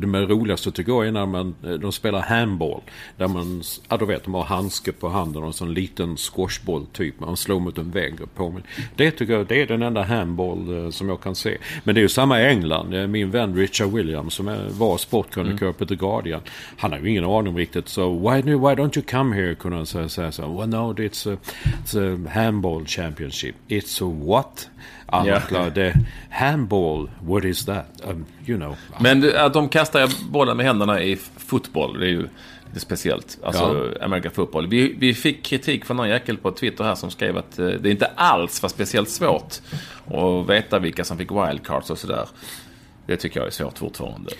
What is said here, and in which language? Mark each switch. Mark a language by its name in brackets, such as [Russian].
[Swedish] Det roligaste tycker jag är när de spelar handboll, där man, ja, du vet, de har handske på handen och en sån liten squashboll typ, man slår mot en vägg på mig. Det tycker jag, det är den enda handboll som jag kan se. Men det är ju samma i England. Min vän Richard Williams, som var sportkronikör på The Guardian, Guardian. Han har ju ingen aning riktigt. Så [English] why don't you come here, [Swedish] kunde han säga så. [English] Well no, it's a handball championship. It's a what? Det handball, what is that? You know. [Swedish] Men att de kastar båda med händerna i fotboll, det är ju det är speciellt. Alltså, ja. American football. Vi fick kritik från någon jäkel på Twitter här som skrev att det inte alls var speciellt svårt att veta vilka som fick wildcards och sådär. Det tycker jag är svårt fortfarande.